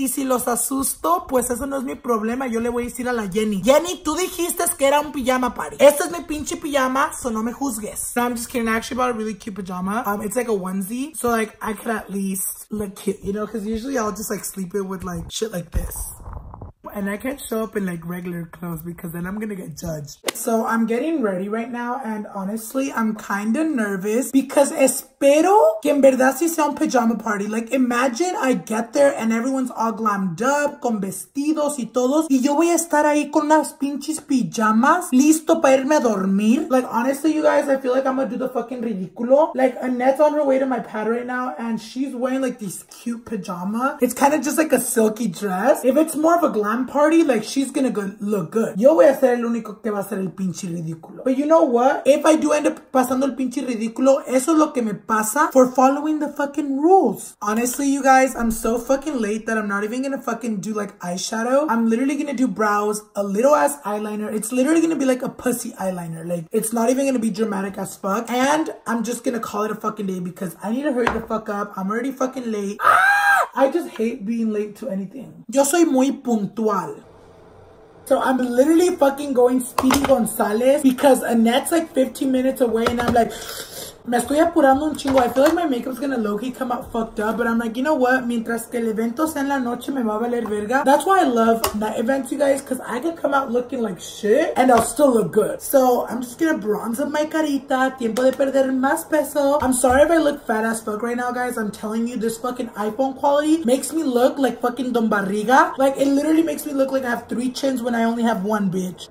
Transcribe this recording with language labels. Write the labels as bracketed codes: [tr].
[es] Y si los asusto, pues eso no es mi problema. Yo le voy a decir a la Jenny. Jenny, tú dijiste que era un pijama party. Este es mi pinche pijama, so no me juzgues. [en] No, I'm just kidding. I actually bought a really cute pajama. It's like a onesie. So like, I could at least look cute, you know, because usually I'll just like sleep it with like shit like this, and I can't show up in like regular clothes because then I'm gonna get judged. So I'm getting ready right now, and honestly, I'm kind of nervous because [es] espero que en verdad si sea un [en] pajama party. Like, imagine I get there and everyone's all glammed up [es] con vestidos y todos, y yo voy a estar ahí con unas pinches pijamas listo para irme a dormir. [en] Like, honestly, you guys, I feel like I'm gonna do the fucking ridiculo. Like, Annette's on her way to my pad right now, and she's wearing like these cute pajamas. It's kind of just like a silky dress. If it's more of a glam party, like, she's gonna go look good. [es] Yo voy a ser el único que va a ser el pinche ridículo. [en] But you know what? If I do end up [es] pasando el pinche ridículo, eso es lo que me pasa [en] for following the fucking rules. Honestly, you guys, I'm so fucking late that I'm not even gonna fucking do, like, eyeshadow. I'm literally gonna do brows, a little ass eyeliner. It's literally gonna be like a pussy eyeliner. Like, it's not even gonna be dramatic as fuck. And I'm just gonna call it a fucking day because I need to hurry the fuck up. I'm already fucking late. I just hate being late to anything. [es] Yo soy muy puntual. [en] So I'm literally fucking going Speedy Gonzalez because Annette's like 15 minutes away and I'm like, [es] Me estoy apurando un chingo. [en] I feel like my makeup's gonna low-key come out fucked up. But I'm like, you know what? [es] Mientras que el evento sea en la noche, me va a valer verga. [en] That's why I love night events, you guys. Because I can come out looking like shit. And I'll still look good. So, I'm just gonna bronze up my carita. [es] Tiempo de perder más peso. [en] I'm sorry if I look fat as fuck right now, guys. I'm telling you, this fucking iPhone quality makes me look like fucking Don Barriga. Like, it literally makes me look like I have three chins when I only have one, bitch.